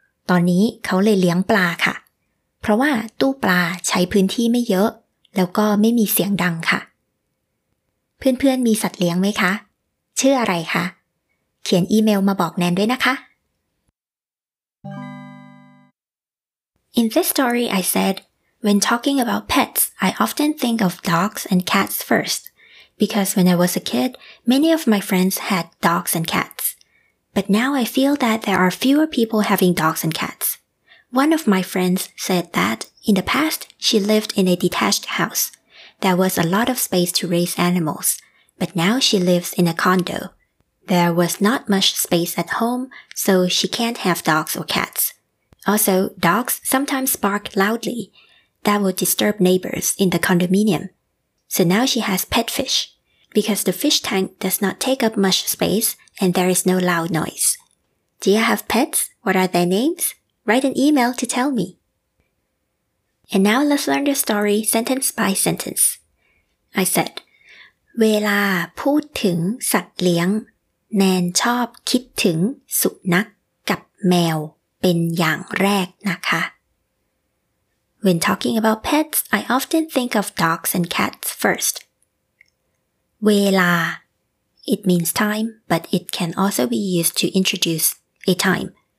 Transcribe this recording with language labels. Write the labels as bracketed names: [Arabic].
[Thai] ตอนนี้เขาเลยเลี้ยงปลาค่ะเพราะว่าตู้ปลาใช้พื้นที่ไม่เยอะแล้วก็ไม่มีเสียงดังค่ะเพื่อนๆมีสัตว์เลี้ยงไหมคะชื่ออะไรคะเขียนอีเมลมาบอกแนนด้วยนะคะ [English] In this story, I said, when talking about pets, I often think of dogs and cats first, because when I was a kid, many of my friends had dogs and cats. But now I feel that there are fewer people having dogs and cats. One of my friends said that, in the past, she lived in a detached house. There was a lot of space to raise animals, but now she lives in a condo. There was not much space at home, so she can't have dogs or cats. Also, dogs sometimes bark loudly. That would disturb neighbors in the condominium. So now she has pet fish, because the fish tank does not take up much space and there is no loud noise. Do you have pets? What are their names? Write an email to tell me. And now let's learn the story sentence by sentence. I said, [Thai] เวลาพูดถึงสัตว์เลี้ยงแนนชอบคิดถึงสุนัขกับแมวเป็นอย่างแรกนะคะ [English] When talking about pets, I often think of dogs and cats first. เวลา It means time, but it can also be used to introduce a time.